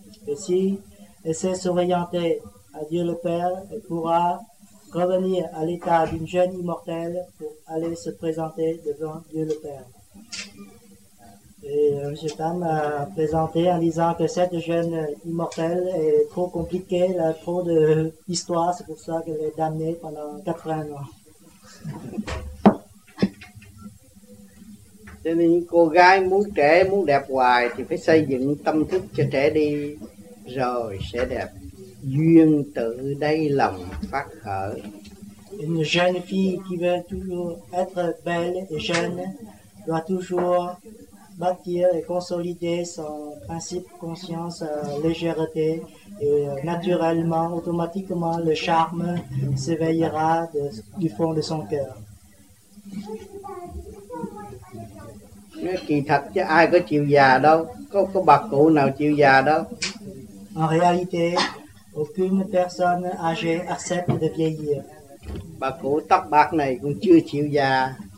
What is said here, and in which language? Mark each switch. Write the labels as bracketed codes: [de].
[fr] Et si elle sait s'orienter à Dieu le Père, elle pourra revenir à l'état d'une jeune immortelle pour aller se présenter devant Dieu le Père. Et M. Tam a présenté en disant que cette jeune immortelle est trop compliquée, elle a trop d'histoire, c'est pour ça qu'elle est damnée pendant 80 ans. [vi] Cho nên une cô gái muốn trẻ, muốn đẹp hoài thì phải xây dựng tâm thức cho trẻ đi, rồi sẽ đẹp. Duyên tự đây lòng phát khởi. [fr] Une jeune fille qui veut toujours être belle et jeune doit toujours bâtir et consolider son principe conscience, légèreté, et naturellement, automatiquement, le charme s'éveillera du fond de son cœur. [vi] Kỳ thật chứ ai có chịu già đâu, có bà cụ nào chịu già đâu. [fr] En réalité, aucune personne âgée accepte de vieillir. [vi] Bà cụ tóc bạc này còn chưa chịu già.